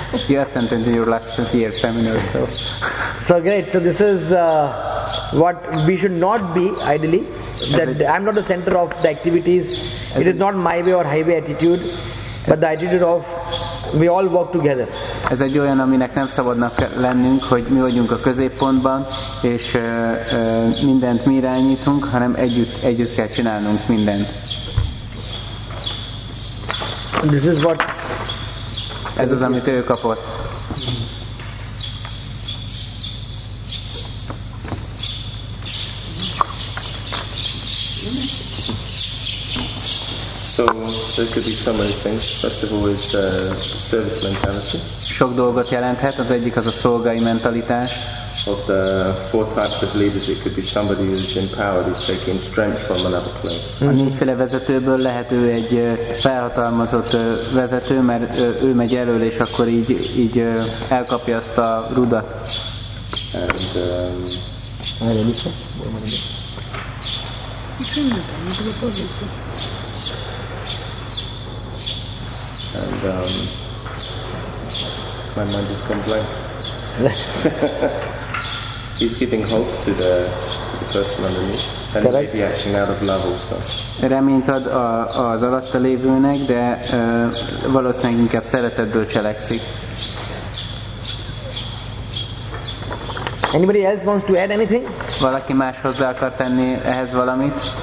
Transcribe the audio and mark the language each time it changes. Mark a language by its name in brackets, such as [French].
[English] You attended your last 20-year seminar, so. So great. So this is what we should not be ideally. That I'm not the center of the activities. It is not my way or highway attitude. But the attitude of we all work together. [Hungarian] Ez egy olyan, aminek nem szabadnak lennünk, hogy mi vagyunk a középpontban, és mindent mi irányítunk, hanem együtt kell csinálnunk mindent. [English] This is what [Hungarian] ez az, amit ő kapott. [English] So there could be so many things. First of all, is service mentality. [Hungarian] Sok dolgot jelenthet. Az egyik az a szolgai mentalitás. [English] Of the four types of leaders, it could be somebody who is empowered, is taking strength from another place. [Hungarian] A négyféle vezetőből lehet ő egy felhatalmazott vezető, mert ő megy elől, és akkor így elkapja azt a rudat. [English] And and my mind is complaining. He's giving hope to the person underneath, and maybe acting out of love also. [Hungarian] Reményt ad az alatta lévőnek, de valószínűleg inkább szeretetből cselekszik. [English] Anybody else wants to add anything? [Hungarian] Valaki más hozzá akar tenni ehhez valamit?